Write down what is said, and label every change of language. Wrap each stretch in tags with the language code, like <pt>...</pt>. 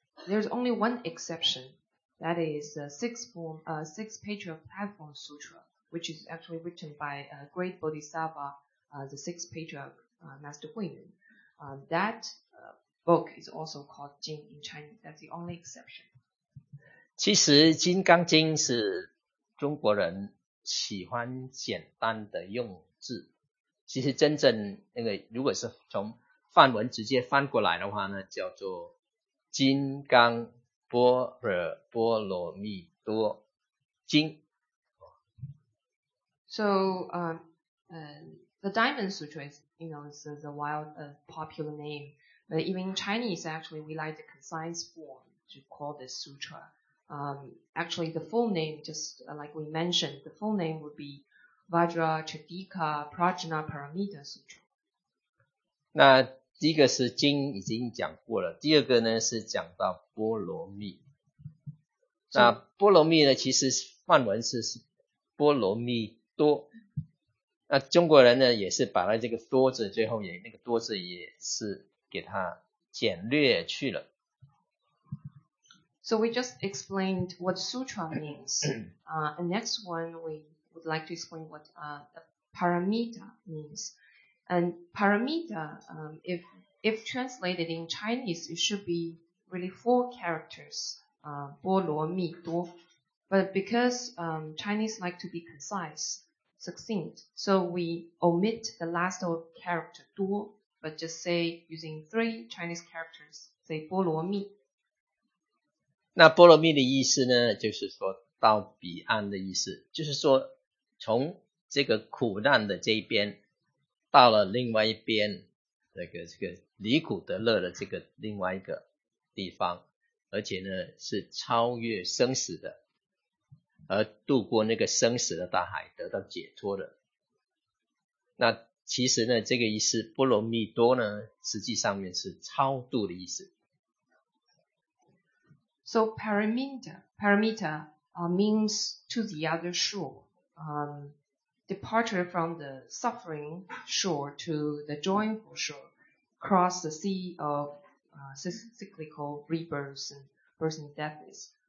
<en>There's only one exception, that is the six page of platform sutra, which is actually written by a great bodhisattva, the sixth patriarch, Master Huimin. That book is also called Jing in Chinese. That's the only exception.</en> <zh>其实《金刚经》是中国人喜欢简单的用字。其实真正那个，如果是从梵文直接翻过来的话呢，叫做金刚般若波罗蜜多经。</zh> <en>So, the Diamond Sutra is, you know, is the wild, popular name. But even in Chinese, actually, we like the concise form to call this sutra. Actually, the full name, just like we mentioned, the full name would be Vajracchedika Prajnaparamita Sutra.</en> <zh>那第一个是经已经讲过了，第二个呢是讲到波罗蜜。那波罗蜜呢，其实梵文是波罗蜜多。那中国人呢，也是把这个多字最后也那个多字也是给它简略去了。</zh> <en>So we just explained what sutra means. And next one we would like to explain what paramita means. And paramita, if translated in Chinese, it should be really four characters, 波罗蜜多. But because Chinese like to be concise, succinct, so we omit the last character 多, but just say using three Chinese characters, say 波罗蜜.</en> <zh>那波罗蜜的意思呢, 就是说到彼岸的意思, 就是说从这个苦难的这一边, 到了另外一边, 这个离苦得乐的这个另外一个地方, 而且呢, 是超越生死的, 而渡过那个生死的大海, 得到解脱的。那其实呢, 这个意思, 波罗蜜多呢, 实际上面是超度的意思。</zh> <en>So paramita means to the other shore, departure from the suffering shore to the joyful shore, cross the sea of cyclical rebirths and births and deaths.</en>